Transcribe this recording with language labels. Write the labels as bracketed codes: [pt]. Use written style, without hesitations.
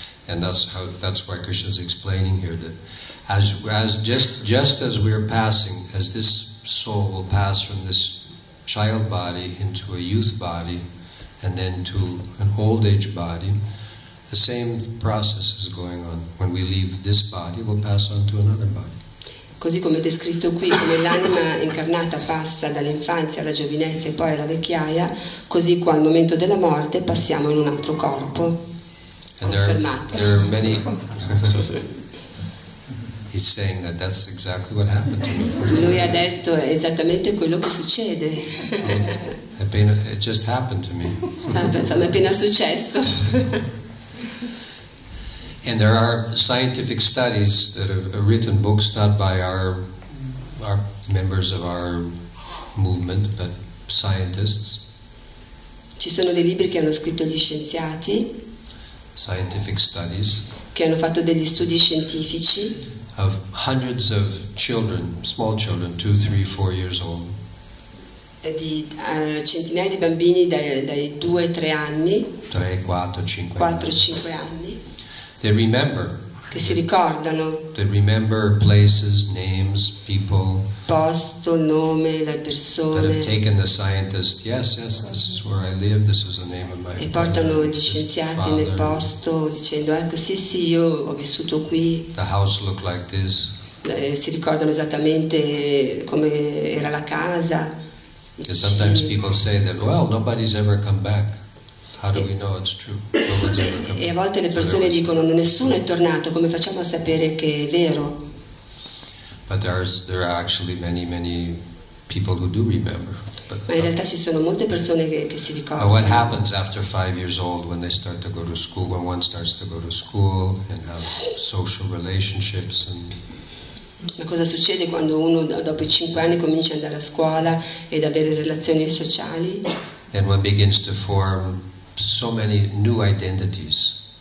[en] And that's why Krishna's explaining here that as we're passing, as this soul will pass from this child body into a youth body and then to an old age body, the same process is going on. When we leave this body, we'll pass on to another body. [it] Così come è descritto qui, come l'anima incarnata passa dall'infanzia alla giovinezza e poi alla vecchiaia, così qua al momento della morte passiamo in un altro corpo. [en] And there are many. He's saying that that's exactly what happened to me. [it] Lui ha detto esattamente quello che succede. [en] It just happened to me. [it] Mi è appena successo. [en] And there are scientific studies that are written books, not by our members of our movement, but scientists. [it] Ci sono dei libri che hanno scritto gli scienziati. [en] Scientific studies. [it] Che hanno fatto degli studi scientifici. [en] Of hundreds of children, small children, 2, 3, 4 years old. [it] Di centinaia di bambini dai 2-3 anni. 4-5 anni. [en] They remember. [it] Che si ricordano. [en] They remember places, names, people. [it] Posto, nome, le persone. [en] That have taken the scientist. Yes, this is where I live. This is the name of my. [it] E portano gli scienziati nel posto dicendo ecco sì io ho vissuto qui. [en] The house looked like this. [it] Si ricordano esattamente come era la casa. [en] Because sometimes people say that well nobody's ever come back. How do we know it's true? [it] E a volte le persone dicono nessuno è tornato, come facciamo a sapere che è vero? [en] But there are actually many people who do remember. But, [it] ma in realtà ci sono molte persone che si ricordano. [en] What happens after 5 years old when they start to go to school, when one starts to go to school and have social relationships and. [it] Ma cosa succede quando uno dopo i 5 anni comincia ad andare a scuola ed avere relazioni sociali? [en] And one begins to form so many new identities.